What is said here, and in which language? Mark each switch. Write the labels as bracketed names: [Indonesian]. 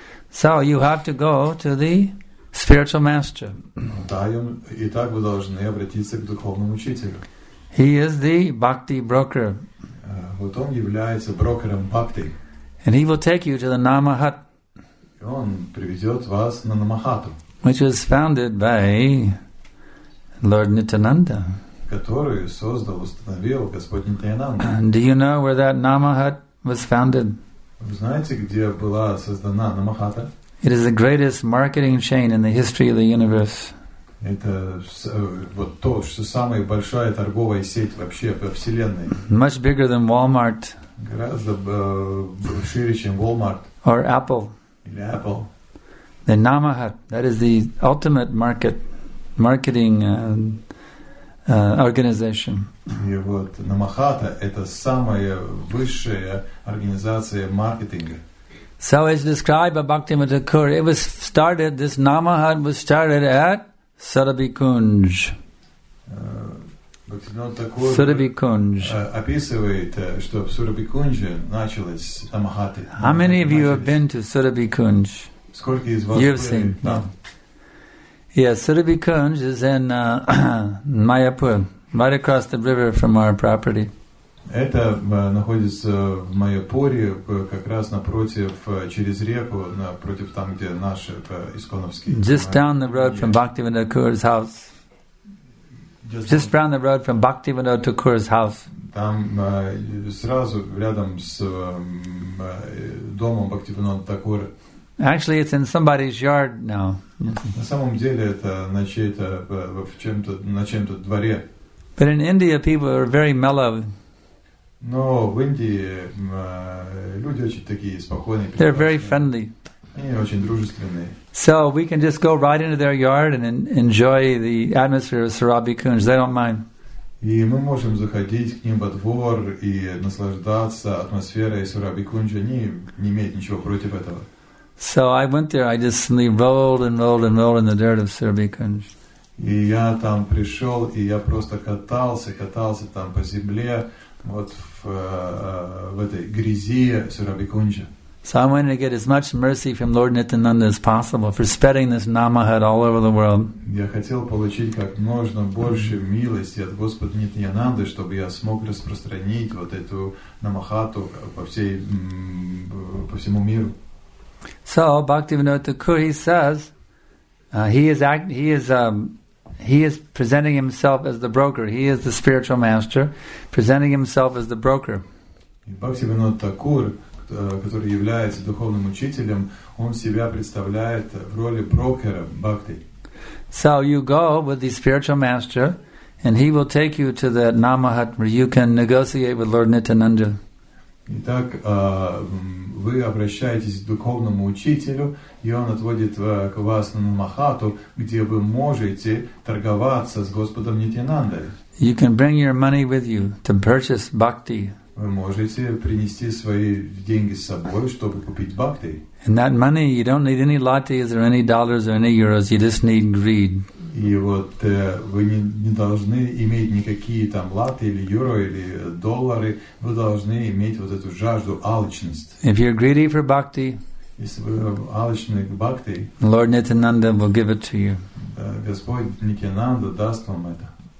[English] So you have to go to the spiritual master. [Russian] Итак, вы должны обратиться к духовному учителю. [English] He is the bhakti broker. [Russian] Вот он является брокером бхакти. [English] And he will take you to the Namahat. [Russian] Он приведет вас на Намахату. [English] Which was founded by Lord Nityananda. [Russian] Которую создал, установил Господь Нитьянанда. [English] Do you know where that Namahat was founded? [Russian] Вы знаете, где была создана Намахата? [English] It is the greatest marketing chain in the history of the universe. [Russian] Это вот то, что самая большая торговая сеть вообще во вселенной. [English] Much bigger than Walmart. [Russian] Гораздо шире, чем Walmart. [English] Or Apple. [Russian] Или Apple. [English] The Namahat, that is the ultimate marketing organization. [Russian] И вот Намахата — это самая высшая организация маркетинга. [English] So as described by Bhaktivinoda Thakur, it was started, this Namahat was started at Sarabhi Kunj. Sarabhi Kunj. [Russian] Описывает, что в Сарабхи Кунже началось Намахата. [English] How many of you have been to Sarabhi Kunj? [Russian] Сколько из вас [English] You've seen. Yes, Sarabhi Kunj is in Mayapur. Right across the river from our property. [Russian] Это находится в Майяпуре, как раз напротив, через реку, напротив там, где наши исконовские. [English] Just down the road from Bhaktivinoda Thakur's house. Just down the road from Bhaktivinoda Thakur's house. [Russian] Там сразу рядом с домом Бхактивинода Такура. [English] Actually, it's in somebody's yard now. [Russian] На самом деле это на чьей-то на чьем-то дворе. [English] But in India, people are very mellow. [Russian] Но в Индии люди очень такие спокойные. [English] They're very friendly. [Russian] Они очень дружественные. [English] So we can just go right into their yard and enjoy the atmosphere of Sarabhi Kunj. They don't mind. [Russian] И мы можем заходить к ним во двор и наслаждаться атмосферой Сарабхи Кунджа. Они не имеют ничего против этого. [English] So I went there. I just simply rolled and rolled and rolled in the dirt of Sarabhi Kunj. [Russian] И я там пришел, и я просто катался там по земле, вот в этой грязи Сарабхи Кунджа. [English] So I wanted to get as much mercy from Lord Nityananda as possible for spreading this Namahat all over the world. [Russian] Я хотел получить как можно больше милости от Господа Нитьянанды, чтобы я смог распространить вот эту Намахату по всему миру. [English] So Bhaktivinoda Thakur, he says, he is presenting himself as the broker. He is the spiritual master, presenting himself as the broker. [Russian] Бхактивинода Такур, который является духовным учителем, он себя представляет в роли брокера бхакти. [English] So you go with the spiritual master, and he will take you to the Namahat where you can negotiate with Lord Nityananda. [Russian] Итак, вы обращаетесь к духовному учителю, и он отводит к вас на Намахату, где вы можете торговаться с Господом Нитьянандой. [English] You can bring your money with you to purchase bhakti. [Russian] Вы можете принести свои деньги с собой, чтобы купить бхакти. [English] And that money, you don't need any lattes or any dollars or any euros, you just need greed. [Russian] И вот вы не должны иметь никакие там латы или евро или доллары, вы должны иметь вот эту жажду, алчность. [English] If you're greedy for bhakti, [Russian] если вы алчны к бхакти, [English] Lord Nityananda will give it to you. [Russian] Господь Нитьянанда даст вам это.